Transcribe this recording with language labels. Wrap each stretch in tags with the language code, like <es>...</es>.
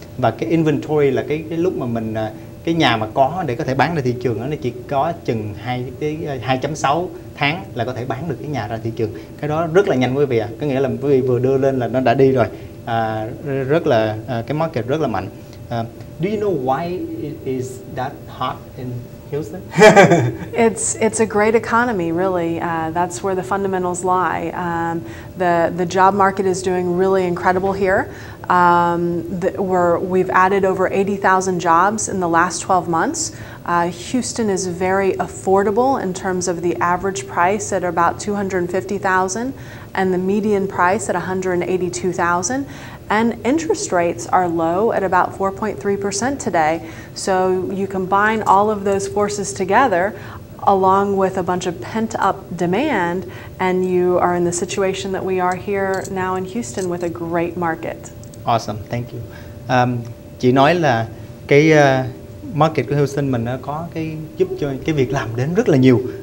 <vi>Và cái inventory là cái lúc mà mình cái nhà mà có để có thể bán ra thị trường đó, nó chỉ có chừng 2.6 tháng là có thể bán được cái nhà ra thị trường. Cái đó rất là nhanh quý vị ạ. Có nghĩa là quý vị vừa đưa lên là nó đã đi rồi. Rất là cái market rất là mạnh.</vi> <en>Do you know why it is that hot in Houston? it's a great economy, really. That's where the fundamentals lie. The job market is doing really incredible here. We've added over 80,000 jobs in the last 12 months. Houston is very affordable in terms of the average price at about $250,000 and the median price at $182,000. And interest rates are low at about 4.3% today. So you combine all of those forces together along with a bunch of pent-up demand, and you are in the situation that we are here now in Houston with a great market. Awesome, thank you.</en> <vi>Chị nói là cái market của Houston mình có cái giúp cho cái việc làm đến rất là nhiều.</vi>